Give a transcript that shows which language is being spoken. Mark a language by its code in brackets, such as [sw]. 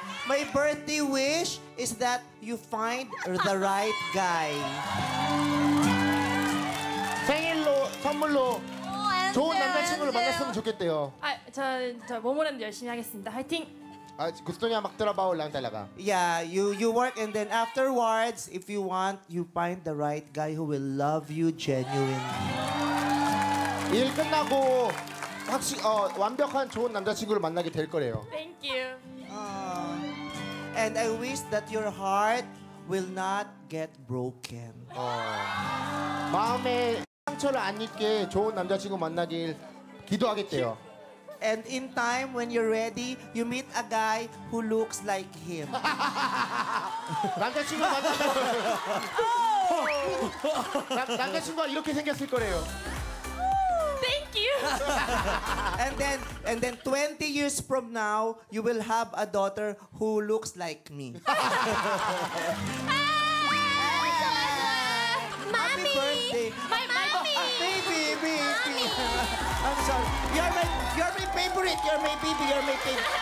[en] My birthday wish is that you find the right guy. [ko] 생일로 선물로 좋은 남자친구를 만났으면 좋겠대요. 아, 저 모모랜드 열심히 하겠습니다. 화이팅. 아, 구스토니아 막 들어봐 올라온다라가. [en] Yeah, you work and then afterwards, if you want, you find the right guy who will love you genuinely. [ko] 일 끝나고 확실히 완벽한 좋은 남자친구를 만나게 될 거래요. [en] Thank you. And I wish that your heart will not get broken. [ko] 마음에 상처를 안 입게 좋은 남자친구 만나길 기도하겠대요. [en] And in time, when you're ready, you meet a guy who looks like him. [ko] 남자친구 만나서 남자친구가 이렇게 생겼을 거래요. [en] Thank you. And then 20 years from now, you will have a daughter who looks like me. Mommy. My mommy. Baby. I'm sorry. You're my favorite. You're my baby. You're my thing.